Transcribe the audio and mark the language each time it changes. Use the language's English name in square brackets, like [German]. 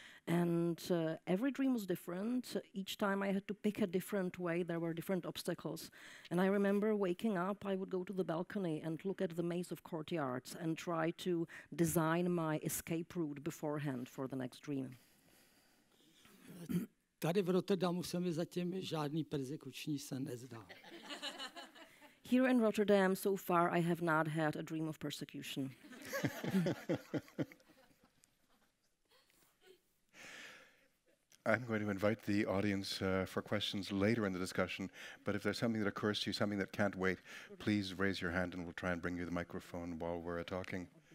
[English] And every dream was different. Each time I had to pick a different way, there were different obstacles. And I remember waking up, I would go to the balcony and look at the maze of courtyards and try to design my escape route beforehand for the next dream. [Czech] Tady v Rotterdamu se mi zatím žádný persekuční sen nezdál. [English] Here in Rotterdam, so far, I have not had a dream of persecution. I'm going to invite the audience for questions later in the discussion, but if there's something that occurs to you, something that can't wait, please raise your hand and we'll try and bring you the microphone while we're talking.